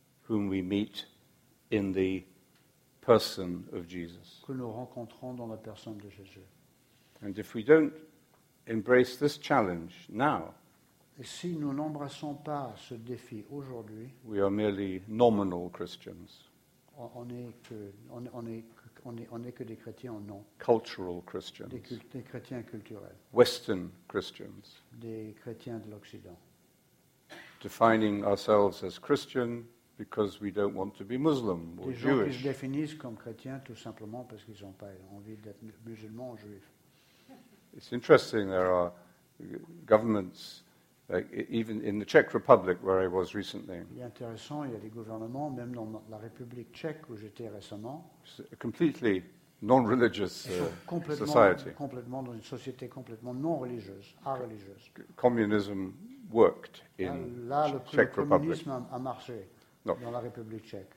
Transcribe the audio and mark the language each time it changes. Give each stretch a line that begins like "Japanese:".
English: whom we meet in the person of Jesus,
French: que nous rencontrons dans la personne de Jésus.
English: And if we don't embrace this challenge now,
French: et si nous n'embrassons pas ce défi aujourd'hui,
English: we are merely nominal Christians.
French: On n'est que des chrétiens en nom.
English: Cultural Christians.
French: Des chrétiens culturels.
English: Western Christians.
French: Des chrétiens de l'Occident.
English: Defining ourselves as Christian because we don't want to be Muslim or Jewish.
French: Des gens qui se définissent comme chrétiens tout simplement parce qu'ils n'ont pas envie d'être musulmans ou juifs.
English: It's interesting, there are governments, like even in the Czech Republic where I was recently.
French: Il est intéressant, il y a des gouvernements même dans la République tchèque où j'étais récemment.
English: A completely non-religious society.
French: Complètement dans une société complètement non religieuse, a-religieuse.
English: Communism worked in the Czech Republic.
French: Là, le communisme a marché dans la République tchèque.